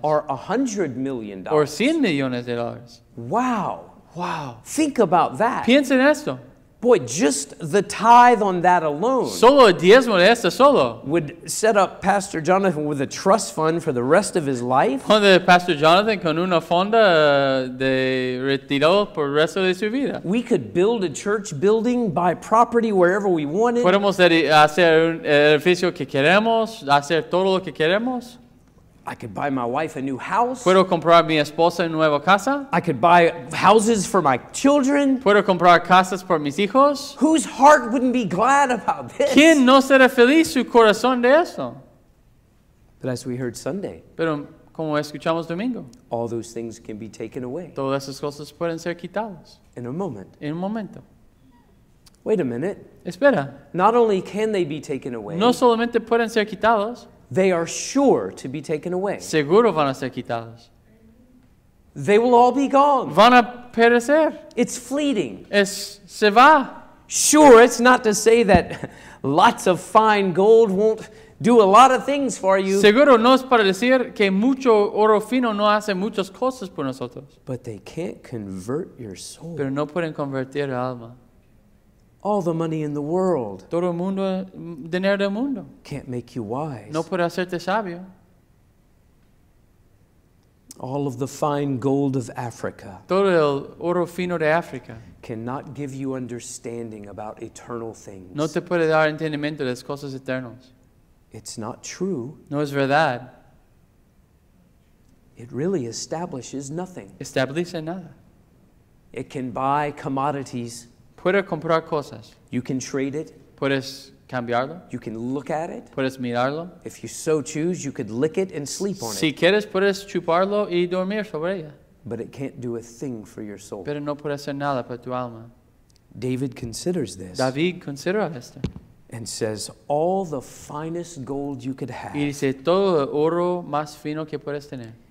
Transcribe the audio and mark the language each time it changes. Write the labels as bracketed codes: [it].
[en] Or $100,000,000. Or $100,000,000. Wow. Wow. Think about that. [es] Piensa en esto. [en] Boy, just the tithe on that alone. [es] Solo el diezmo de eso solo. [en] Would set up Pastor Jonathan with a trust fund for the rest of his life. [es] Pone Pastor Jonathan con una fonda de retiro por el resto de su vida. [en] We could build a church building, buy property wherever we wanted. [es] Podemos hacer un edificio que queremos, hacer todo lo que queremos. [en] I could buy my wife a new house. [es] Puedo comprar mi esposa una nueva casa. [en] I could buy houses for my children. [es] Puedo comprar casas por mis hijos. [en] Whose heart wouldn't be glad about this? [es] ¿Quién no será feliz su corazón de eso? [en] But as we heard Sunday. [es] Pero como escuchamos domingo. [en] All those things can be taken away. [es] Todas esas cosas pueden ser quitadas. [en] In a moment. [es] En un momento. [en] Wait a minute. [es] Espera. [en] Not only can they be taken away. [es] No solamente pueden ser quitados. [en] They are sure to be taken away. [es] Seguro van a ser quitados. [en] They will all be gone. [es] Van a perecer. [en] It's fleeting. [es] Es, se va. [en] Sure, it's not to say that lots of fine gold won't do a lot of things for you. [es] Seguro no es para decir que mucho oro fino no hace muchas cosas por nosotros. [en] But they can't convert your soul. [es] Pero no pueden convertir el alma. [en] All the money in the world. [es] Todo el mundo, dinero del mundo. [en] Can't make you wise. [es] No puede hacerte sabio. [en] All of the fine gold of Africa. [es] Todo el oro fino de África. [en] Cannot give you understanding about eternal things. [es] No te puede dar entendimiento de las cosas eternas. [en] It's not true. [es] No es verdad. [en] It really establishes nothing. [es] Establece nada. [en] It can buy commodities. [es] Puedes comprar cosas. [en] You can trade it. [es] Puedes cambiarlo. [en] You can look at it. [es] Puedes mirarlo. [en] If you so choose, you could lick it and sleep on [es] si [en] it. [es] Si quieres, puedes chuparlo y dormir sobre ella. [en] But it can't do a thing for your soul. [es] Pero no puede hacer nada para tu alma. [en] David considers this. [es] David considera esto. [en] And says, all the finest gold you could have. [es] Y dice, todo el oro más fino que puedes tener.